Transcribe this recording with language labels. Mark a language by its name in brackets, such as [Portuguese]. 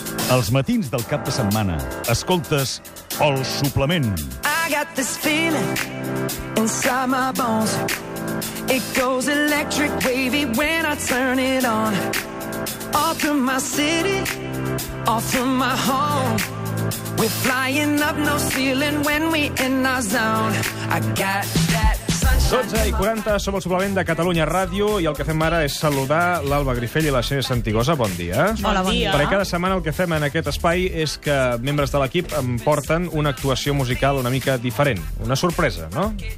[Catalan] Els matins del cap de setmana, escoltes El Suplement. [English] I got this feeling inside my bones. It goes electric wavy when I turn it on. All through my city, all through my home. We're flying up no ceiling when we in our zone. I got that. [Catalan] 12 i 40, som el Suplement de Catalunya Ràdio i el que fem ara és saludar l'Alba Grifell i la Xenia Santigosa. Bon dia. Hola, bon dia. Perquè cada setmana el que fem en aquest espai és que membres de l'equip em porten una actuació musical una mica diferent. Una sorpresa, no?